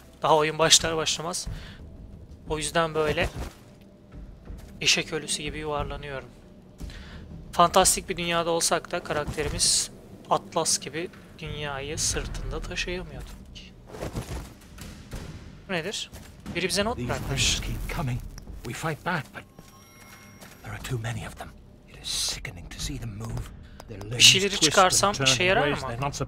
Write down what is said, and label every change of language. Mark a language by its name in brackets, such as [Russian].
[Turkish] Daha oyun başlar başlamaz. O yüzden böyle eşek ölüsü gibi yuvarlanıyorum. Fantastik bir dünyada olsak da karakterimiz Atlas gibi dünyayı sırtında taşıyamıyor tabii ki. Bu nedir? Biri bize not bırakmış. [English] We fight back, but there are too many of them. It is sickening to see them move. [Turkish] Bir şeyleri çıkarsam işe yarar mı?